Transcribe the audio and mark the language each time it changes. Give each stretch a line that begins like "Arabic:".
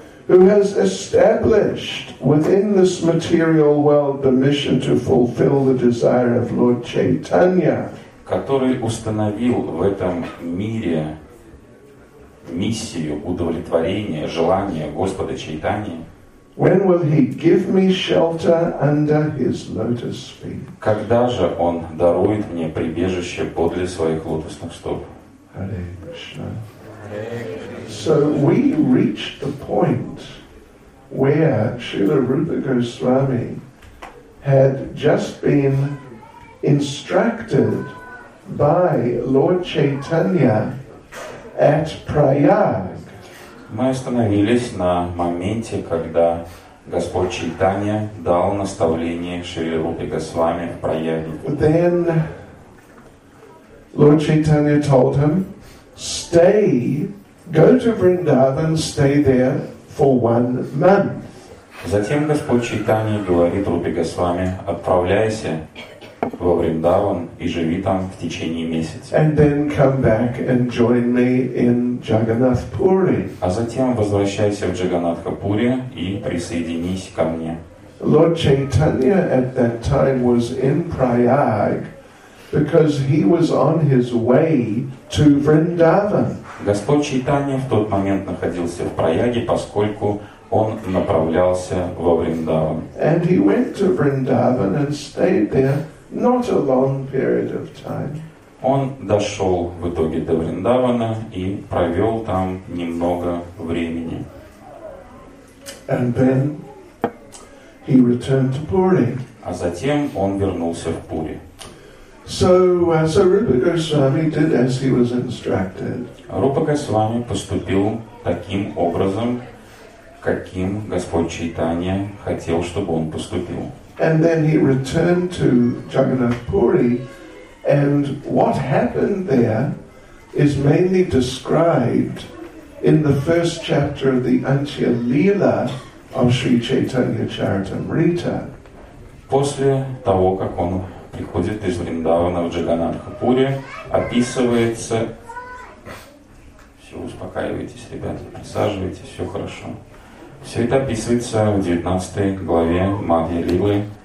English: who has established within this material world the mission to fulfill the desire of Lord Chaitanya,
Russian: который установил в этом мире миссию удовлетворения желания Господа Чайтаньи,
English: when will he give me shelter under his lotus feet?
Russian: Когда же он дарует мне прибежище подле своих лотосных стоп?
Sanskrit: Hare Krishna.
English: So we reached the point where Srila Rupa Goswami had just been instructed by Lord Chaitanya at Prayag.
Russian: Мы остановились на моменте, когда Господь Чайтанья дал наставление Шри Рупе Госвами в прояве.
English: Then Lord Chaitanya told him, stay, go to Vrindavan, stay there for one month.
Russian: Затем Господь Чайтанья говорит Рупе Госвами, отправляйся во Вриндаван и живи там в течение месяца.
English: And then come back and join me in Jagannath Puri.
Russian: А затем возвращайся в Джаганатхапури и присоединись ко мне.
English: Lord Chaitanya at that time was in Prayag because he was on his way to Vrindavan.
Russian: Господь Чайтанья в тот момент находился в Праяге, поскольку он направлялся во Вриндаван.
English: And he went to Vrindavan and stayed there. Not a long period of time.
Russian: Он дошел в итоге до Вриндавана и провел там немного времени.
English: And then he returned to Puri.
Russian: А затем он вернулся в Пури.
English: So Rupa Goswami did as he was instructed.
Russian: Рупа Госвами поступил таким образом, каким Господь Чайтанья хотел, чтобы он поступил.
English: And then he returned to Jagannath Puri, and what happened there is mainly described in the first chapter of the Antya Lila of Sri Chaitanya Charitamrita.
Russian: После того, как он приходит из Вриндавана в Джаганатхапури, описывается. Все, успокаивайтесь, ребята, присаживайтесь, все хорошо. Все это описывается в 19 главе Мадья Лилы.